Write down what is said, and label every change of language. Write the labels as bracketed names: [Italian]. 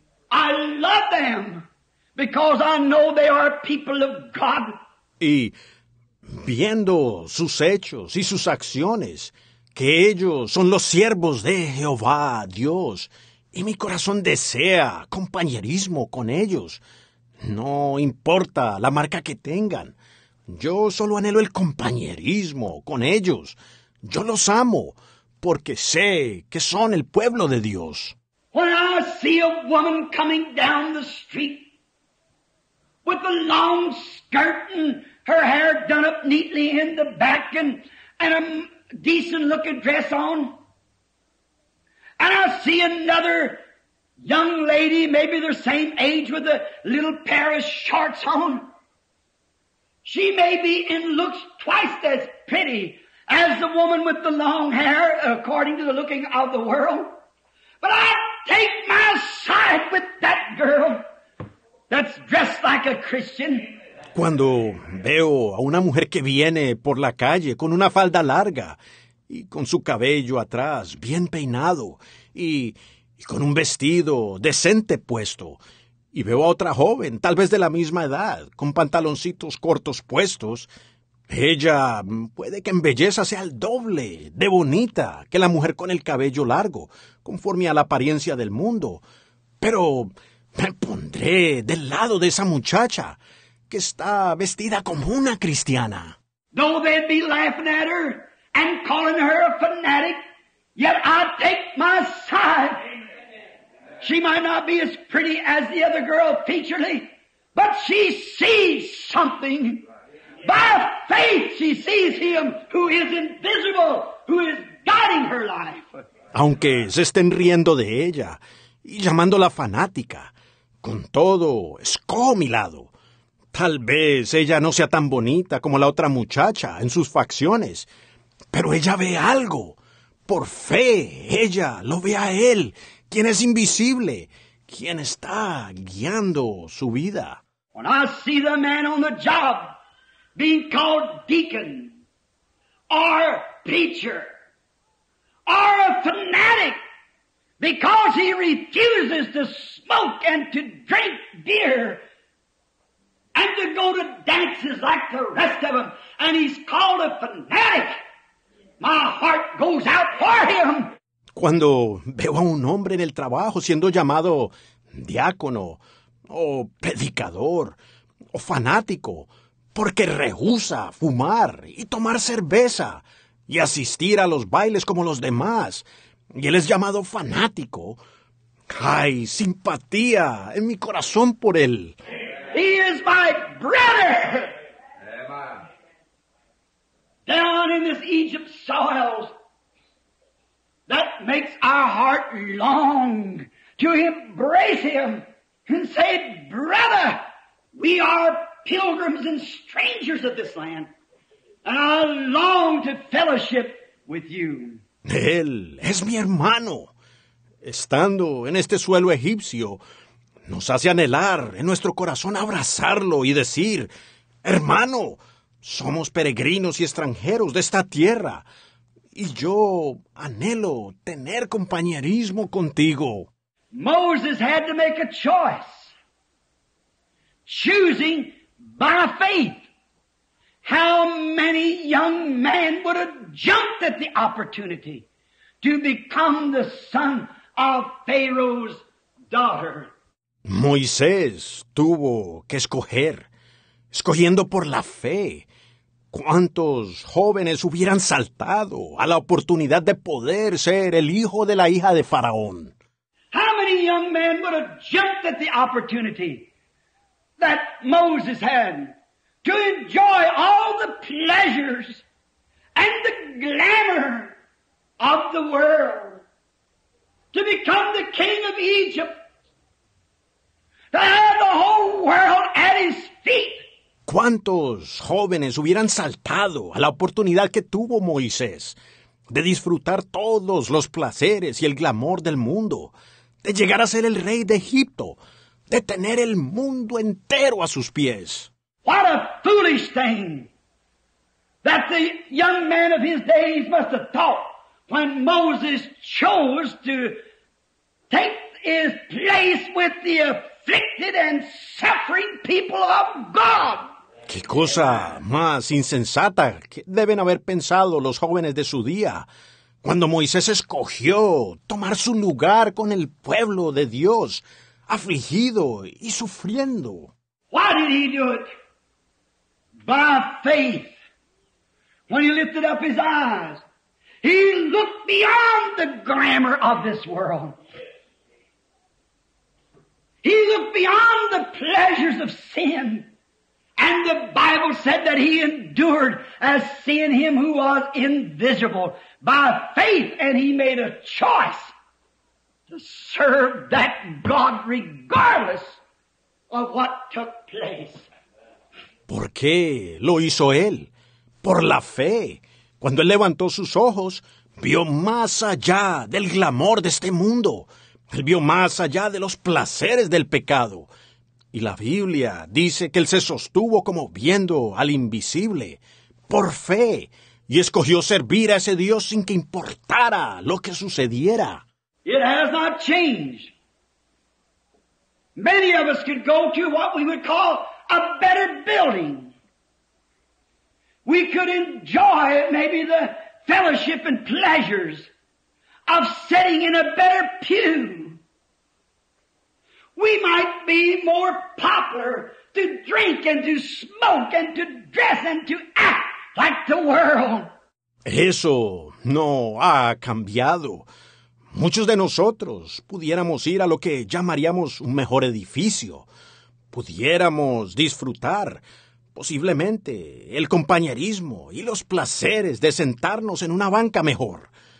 [English] I love them because I know they are people of God. [Spanish] Y viendo sus hechos y sus acciones, que ellos son los siervos de Jehová Dios, y mi corazón desea compañerismo con ellos. No importa la marca que tengan. Yo solo anhelo el compañerismo con ellos. Yo los amo porque sé que son el pueblo de Dios. [English] When I see a woman coming down the street with a long skirt and her hair done up neatly in the back and a decent looking dress on, and I see another young lady, maybe the same age, with a little pair of shorts on, she may be and looks twice as pretty as the woman with the long hair, according to the looking of the world. But I take my side with that girl that's dressed like a Christian. [Spanish] Cuando veo a una mujer que viene por la calle con una falda larga y con su cabello atrás bien peinado y con un vestido decente puesto, y veo a otra joven, tal vez de la misma edad, con pantaloncitos cortos puestos, ella puede que en belleza sea el doble de bonita que la mujer con el cabello largo, conforme a la apariencia del mundo. Pero me pondré del lado de esa muchacha que está vestida como una cristiana. [English] Though they'd be laughing at her and calling her a fanatic, yet I take my side. She might not be as pretty as the other girl featurely, but she sees something. By faith she sees him who is invisible, who is guiding her life. [Spanish] Aunque se estén riendo de ella y llamándola fanática, con todo, escojo mi lado. Tal vez ella no sea tan bonita como la otra muchacha en sus facciones, pero ella ve algo. Por fe, ella lo ve a él, quien es invisible, quien está guiando su vida. [English] When I see the man on the job being called deacon, or preacher, or a fanatic, because he refuses to smoke and to drink beer, and to go to dances like the rest of them, and he's called a fanatic, my heart goes out for him. [Spanish] Cuando veo a un hombre en el trabajo siendo llamado diácono, o predicador, o fanático, porque rehúsa fumar y tomar cerveza y asistir a los bailes como los demás, y él es llamado fanático, hay simpatía en mi corazón por él. [English] He is my brother. Down in this Egypt soil, that makes our heart long to embrace him and say, brother, we are pilgrims and strangers of this land, and I long to fellowship with you. [Spanish] Él es mi hermano. Estando en este suelo egipcio, nos hace anhelar en nuestro corazón abrazarlo y decir, hermano, somos peregrinos y extranjeros de esta tierra, y yo anhelo tener compañerismo contigo. [English] Moses had to make a choice, choosing by faith. How many young men would have jumped at the opportunity to become the son of Pharaoh's daughter? [Spanish] Moisés tuvo que escoger, escogiendo por la fe. ¿Cuántos jóvenes hubieran saltado a la oportunidad de poder ser el hijo de la hija de Faraón? [English] How many young men would have jumped at the opportunity that Moses had to enjoy all the pleasures and the glamour of the world, to become the king of Egypt, to have the whole world at his feet? [Spanish] ¿Cuántos jóvenes hubieran saltado a la oportunidad que tuvo Moisés de disfrutar todos los placeres y el glamour del mundo, de llegar a ser el rey de Egipto, de tener el mundo entero a sus pies? [English] What a foolish thing that the young man of his days must have thought when Moses chose to take his place with the afflicted and suffering people of God. [Spanish] ¿Qué cosa más insensata que deben haber pensado los jóvenes de su día cuando Moisés escogió tomar su lugar con el pueblo de Dios, afligido y sufriendo? [English] Why did he do it? By faith. When he lifted up his eyes, he looked beyond the glamour of this world. He looked beyond the pleasures of sin. And the Bible said that he endured as seeing him who was invisible by faith, and he made a choice to serve that God regardless of what took place. [Spanish] ¿Por qué lo hizo él? Por la fe. Cuando él levantó sus ojos, vio más allá del glamour de este mundo. Él vio más allá de los placeres del pecado. Y la Biblia dice que él se sostuvo como viendo al invisible, por fe, y escogió servir a ese Dios sin que importara lo que sucediera. [English] It has not changed. Many of us could go to what we would call a better building. We could enjoy maybe the fellowship and pleasures of sitting in a better pew. We might be more popular to drink and to smoke and to dress and to act like the world. [Spanish] Eso no ha cambiado. Muchos de nosotros pudiéramos ir a lo que llamaríamos un mejor edificio. Pudiéramos disfrutar, posiblemente, el compañerismo y los placeres de sentarnos en una banca mejor.